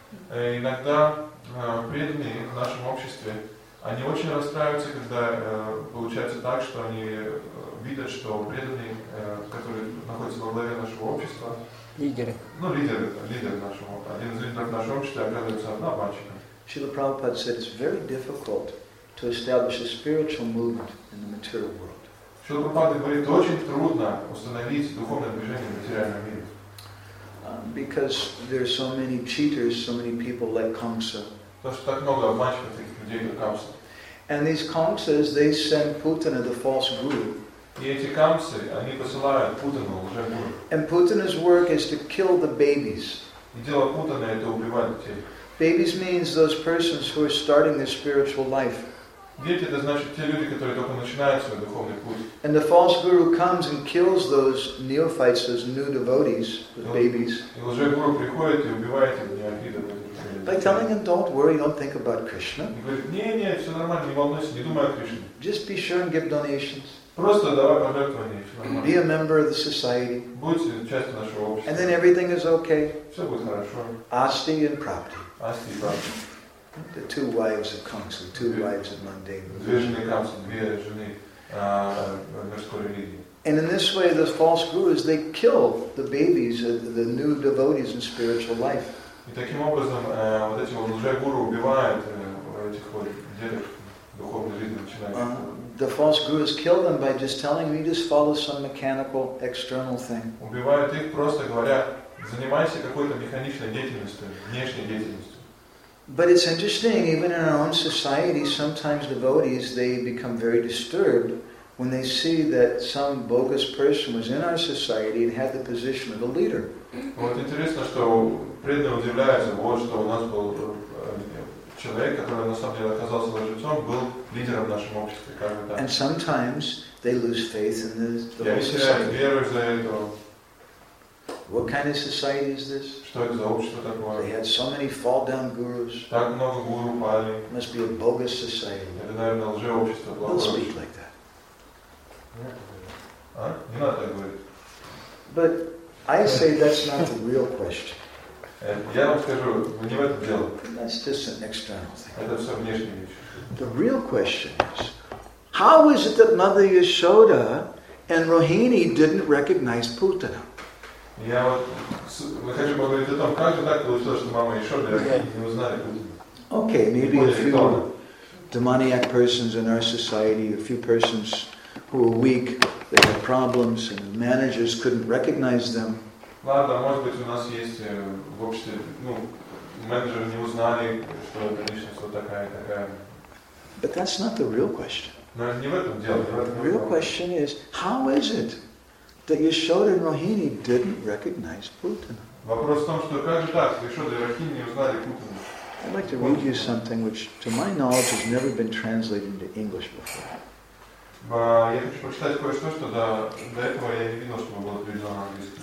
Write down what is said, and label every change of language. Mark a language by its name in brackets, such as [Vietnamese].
[Russian] Иногда преданные в нашем обществе, они очень расстраиваются, когда получается так, что они видят, что преданные, которые находятся во главе нашего общества, лидеры. Ну, лидеры нашего, один из лидеров нашего общества оказывается обманщиком. [English] Шрила Прабхупада said, it's very difficult to establish a spiritual movement in the material world. [Russian] Шрила Прабхупада говорит, очень трудно установить духовное движение в материальном мире. [English] Because there are so many cheaters, so many people like Kamsa. [Russian] Потому что так много обманщиков, таких людей, как Камса. [English] And these Kamsas, they send Putana, the false guru. [Russian] И эти Камсы, они посылают Путану, уже гуру. [English] And Putana's work is to kill the babies. [Russian] И дело Путана — это убивать детей. [English] Babies means those persons who are starting their spiritual life. [Russian] Дети — это значит те люди, которые только начинают свой духовный путь. [English] And the false guru comes and kills those neophytes, those new devotees, the babies. [Russian] И уже гуру приходит и убивает их, неофитов. [English] By telling him, don't worry, don't think about Krishna. [Russian] He говорит, не, все нормально, не волнуйся, не думай о Кришне. [English] Just be sure and give donations. [Russian] Просто давай пожертвования, все нормально. [English] Be a member of the society. [Russian] Будьте частью нашего общества. [English] And then everything is okay. [Russian] Все будет хорошо. [English] Asti and Prapti. Asti and Prapti. The two wives of Kamsa, two wives of mundane. [Russian] Две жены Камсы, две жены мирской религии. [English] And in this way, those false gurus, they kill the babies, the new devotees in spiritual life. [Russian] И таким образом вот эти вот лжегуру убивают этих вот деток, духовных лидеров, начинающих. [English] The false gurus kill them by just telling me, just follow some mechanical external thing. [Russian] Убивают их, просто говоря, занимайся какой-то механичной деятельностью, внешней деятельностью. [English] But it's interesting, even in our own society, sometimes devotees, they become very disturbed when they see that some bogus person was in our society and had the position of a leader. [Russian] Вот интересно, что преданные удивляются, вот что у нас был человек, который на самом деле оказался лжецом, был лидером в нашем обществе, как бы так. [English] And sometimes they lose faith in the whole society. [Russian] И они теряют веру из-за этого. [English] What kind of society is this? [Russian] Что это за общество такое? [English] They had so many fall down gurus. [Russian] Так много гуру пали. [English] Must be a bogus society. [Russian] Это, наверное, лжеобщество. [English] Don't speak like that. [Russian] Не надо так говорить. [English] But I say that's not the real question. [Russian] Я вам скажу, вы не в этом дело. [English] That's just an external thing. [Russian] Это все внешние вещи. [English] The real question is, how is it that Mother Yashoda and Rohini didn't recognize Putana? [Russian] Я вот хочу поговорить о том, как же так получилось, что мама Яшода не узнали Путана. [English] Okay, maybe a few demoniac persons in our society, a few persons who were weak, they had problems, and the managers couldn't recognize them. [Russian] Ладно, может быть, у нас есть в обществе, менеджеры не узнали, что эта личность вот такая. [English] But that's not the real question. [Russian] Но не в этом дело. [English] The real question is, how is it that Yashoda and Rohini didn't recognize Putana? [Russian] Вопрос в том, что как же так, Yashoda и Rohini не узнали Путана? [English] I'd like to read you something which, to my knowledge, has never been translated into English before. [Russian] Я хочу прочитать кое-что, что до этого я не видел, чтобы было переведено на английский.